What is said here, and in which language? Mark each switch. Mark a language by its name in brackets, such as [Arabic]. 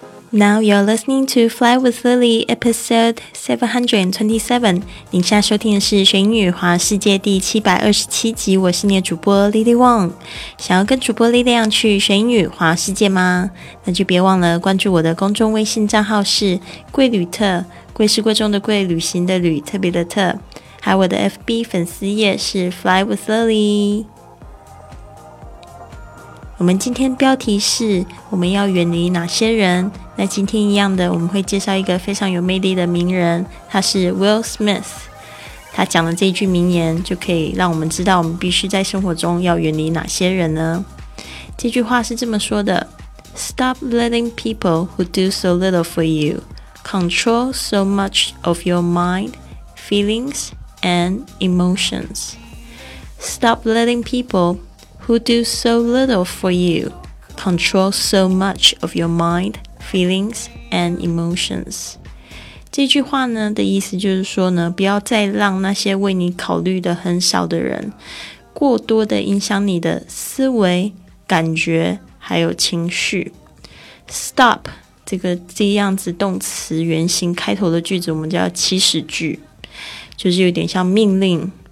[English] Now you're listening to Fly with Lily, episode 727. [Chinese] 您现在收听的是学英语环游世界第727集，我是你的主播 Lily Wong。想要跟主播 Lily 去学英语环游世界吗？那就别忘了关注我的公众微信账号是贵旅特，贵是贵重的贵，旅行的旅，特别的特，还有我的 FB 粉丝页是 Fly with Lily。我们今天标题是我们要远离哪些人，那今天一样的我们会介绍一个非常有魅力的名人，他是 Will Smith。他讲的这一句名言就可以让我们知道我们必须在生活中要远离哪些人呢。 [English] 这句话是这么说的， Stop letting people who do so little for you control so much of your mind, feelings, and emotions. Stop letting peopleWho do so little for you, control so much of your mind, feelings, and emotions. [Chinese] 这句话呢的意思就是说呢，不要再让那些为你考虑的很少的人，过多的影响你的思维、感觉还有情绪。 Stop 这样子动词原形开头的句子，我们叫祈使句，就是有点像命令。